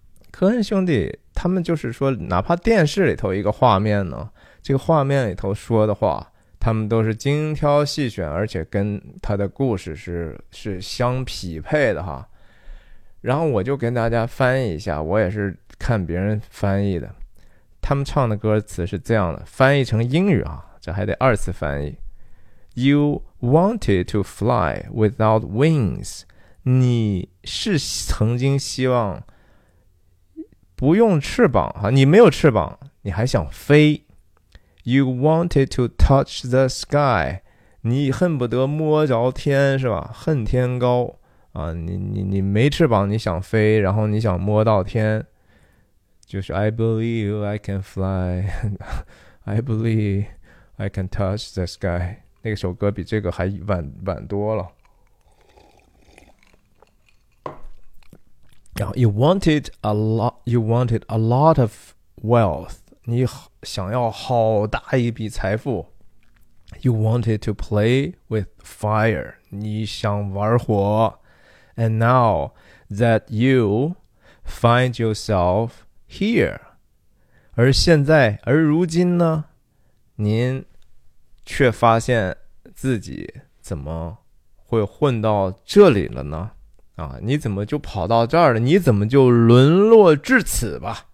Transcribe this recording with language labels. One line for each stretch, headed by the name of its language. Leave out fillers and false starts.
Chinese: 科恩兄弟他们就是说，哪怕电视里头一个画面呢，这个画面里头说的话，他们都是精挑细选，而且跟他的故事是相匹配的哈。然后我就跟大家翻译一下，我也是看别人翻译的。他们唱的歌词是这样的，翻译成英语啊，这还得二次翻译。
English: You wanted to fly without wings.
Chinese: 你是曾经希望不用翅膀啊，你没有翅膀，你还想飞。
English: You wanted to touch the sky.
Chinese: 你恨不得摸着天是吧？恨天高啊，你没翅膀，你想飞，然后你想摸到天。就是
English: I believe I can fly, I believe I can touch the sky.
Chinese: 那个首歌比这个还晚多了。然后
English: you wanted a lot of wealth.
Chinese: 你想要好大一笔财富。
English: You wanted to play with fire.
Chinese: 你想玩火。
English: And now that you find yourself. Here,
Chinese: 而现在，而如今呢？您却发现自己怎么会混到这里了呢？啊，你怎么就跑到这儿了？你怎么就沦落至此吧？